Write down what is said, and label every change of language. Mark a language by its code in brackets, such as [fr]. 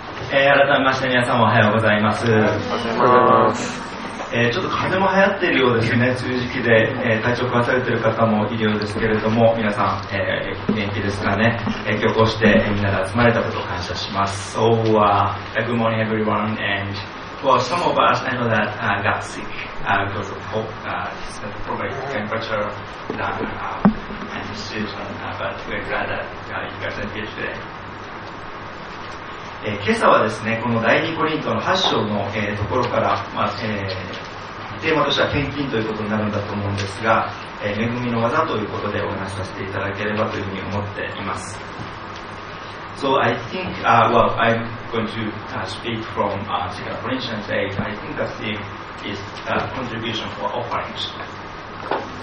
[ja] 改めまして皆さんおはようございます。ちょっと風邪も流行っているようですね。梅雨時期で、体調壊されている方もいるようですけれども、皆さん、元気ですかね。今日こうしてみんなが集まれたことを感謝します。 [en] So good morning everyone, and for some of us I know that I got sick because of hope he's got probably temperature down and the situation, but we're glad that you guys are here today. [ja] 今朝はですね、この第2コリントの8章の、ところから、テーマとしては献金ということになるんだと思うんですが、恵みの技ということでお話しさせていただければというふうに思っています。 [en] So I think, I'm going to speak from 2 Corinthians today. I think the theme is contribution for offering.